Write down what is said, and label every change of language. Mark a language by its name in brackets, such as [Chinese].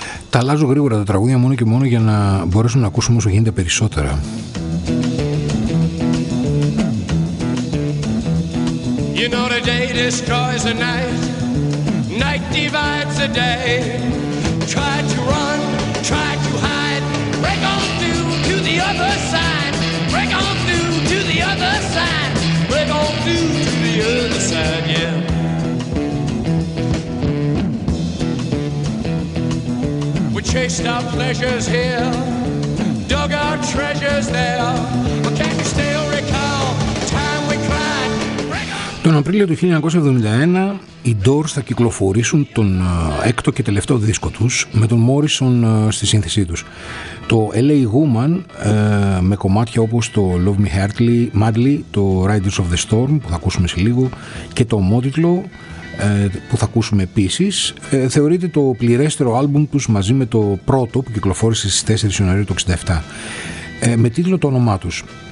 [Greek] Θα αλλάζω γρήγορα τα τραγούδια μόνο και μόνο για να μπορέσουμε να ακούσουμε όσο γίνεται περισσότερα. [English] You know the day destroys the night, night divides the day. Try to run, try to hide, break on through to the other side. Break on through to the other side, break on through to the other side, yeah. Chased our pleasures here, dug our treasures there. But can't you still recall the time we cried? [Greek] Τον Απρίλιο του 1971 οι Doors θα κυκλοφορήσουν τον έκτο και τελευταίο δίσκο τους με τον Morrison στη σύνθεσή τους. Το LA Woman με κομμάτια όπως το Love Me Heartly, Madly, το Riders of the Storm που θα ακούσουμε σε λίγο και το ομότιτλο που θα ακούσουμε επίσης θεωρείται το πληρέστερο άλμπουμ τους μαζί με το πρώτο που κυκλοφόρησε στις 4 Ιανουαρίου του 1967 με τίτλο το όνομά τους.